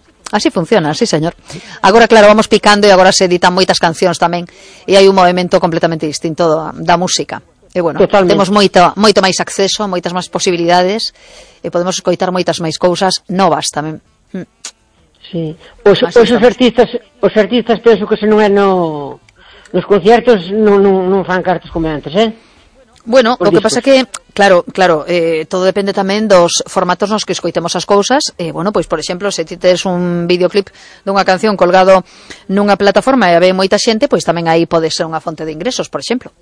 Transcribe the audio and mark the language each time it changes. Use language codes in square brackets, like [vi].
[es] Así funciona, sí, señor. [gl] Agora, claro, vamos picando e agora se editan moitas cancións tamén e hai un movimento completamente distinto da música. E, bueno, totalmente. Temos moito máis acceso, moitas máis posibilidades e podemos escoitar moitas máis cousas novas tamén. Sí. Os artistas penso que se non é no... Nos conciertos non fan cartas como antes, Bueno, o que pasa que, claro, todo depende tamén dos formatos nos que escoitemos as cousas. Bueno, pois, por exemplo, se ti tes un videoclip dunha canción colgado nunha plataforma e ve moita xente, pois tamén aí pode ser unha fonte de ingresos, por exemplo.